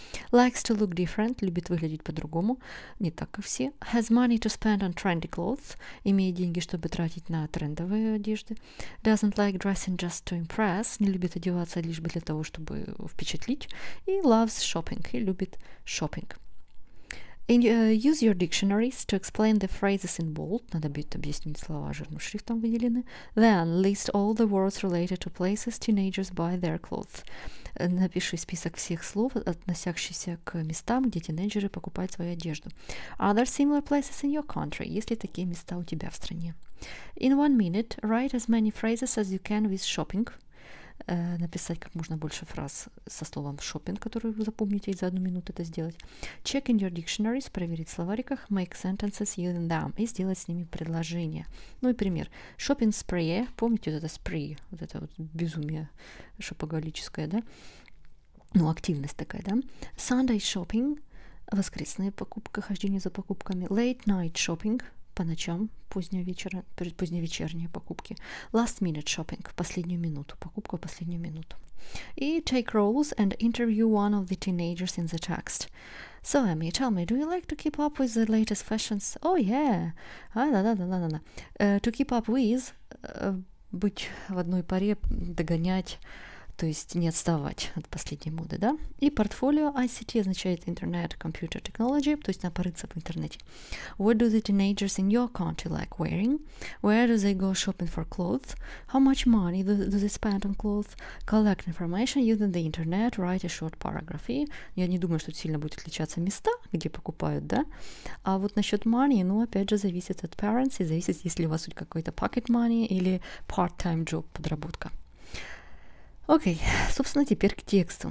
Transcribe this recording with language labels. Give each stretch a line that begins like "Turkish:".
English: Likes to look different.
Russian: Любит выглядеть по-другому. Не так, как все.
English: Has money to spend on trendy clothes.
Russian: Имеет деньги, чтобы тратить на трендовые одежды.
English: Doesn't like dressing just to impress.
Russian: Не любит одеваться лишь бы для того, чтобы впечатлить. И
English: loves shopping.
Russian: И любит шопинг.
English: Use your dictionaries to explain the phrases in bold.
Russian: Надо будет объяснить слова жирным шрифтом выделены.
English: Then list all the words related to places teenagers buy their clothes.
Russian: Напиши список всех слов, относящихся к местам, где тинейджеры покупают свою одежду.
English: Are there similar places in your country?
Russian: Есть ли такие места у тебя в стране?
English: In one minute, write as many phrases as you can with shopping.
Russian: Написать как можно больше фраз со словом shopping, которые вы запомните, и за одну минуту это сделать.
English: Check in your dictionaries,
Russian: проверить в словариках,
English: make sentences using them,
Russian: и сделать с ними предложение. Ну и пример.
English: Shopping spree,
Russian: помните вот это spree, вот это вот безумие шопоголическое, да? Ну, активность такая, да?
English: Sunday shopping,
Russian: воскресная покупка, хождение за покупками.
English: Late night shopping,
Russian: по ночам, поздневечерние покупки.
English: Last minute shopping,
Russian: последнюю минуту, покупка в последнюю минуту.
English: И take roles and interview one of the teenagers in the text. So, Amy, tell me, do you like to keep up with the latest fashions? Oh, yeah. To keep up with,
Russian: быть в одной паре, догонять, то есть не отставать от последней моды, да? И портфолио ICT означает Internet Computer Technology, то есть напорыться в интернете.
English: What do the teenagers in your country like wearing? Where do they go shopping for clothes? How much money do they spend on clothes? Collect information using the internet, write a short paragraph.
Russian: И я не думаю, что сильно будет отличаться места, где покупают, да? А вот насчет money, ну, опять же, зависит от parents и зависит, есть ли у вас какой-то pocket money или part-time job, подработка. Окей, собственно, теперь к тексту.